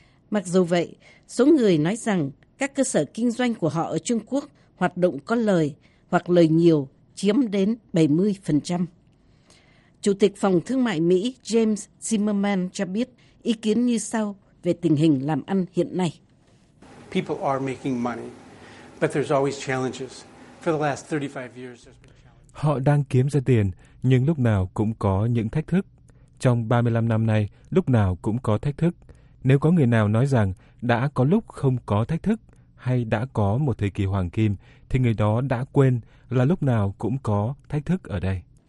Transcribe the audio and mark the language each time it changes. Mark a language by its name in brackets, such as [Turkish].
[Vietnamese] Mặc dù vậy, số người nói rằng các cơ sở kinh doanh của họ ở Trung Quốc hoạt động có lời hoặc lời nhiều chiếm đến 70%. Chủ tịch Phòng Thương mại Mỹ James Zimmerman cho biết ý kiến như sau về tình hình làm ăn hiện nay. [English] People are making money, but there's always challenges. [Vietnamese] Họ đang kiếm ra tiền, nhưng lúc nào cũng có những thách thức. Trong 35 năm nay, lúc nào cũng có thách thức. Nếu có người nào nói rằng đã có lúc không có thách thức, hay đã có một thời kỳ hoàng kim, thì người đó đã quên là lúc nào cũng có thách thức ở đây.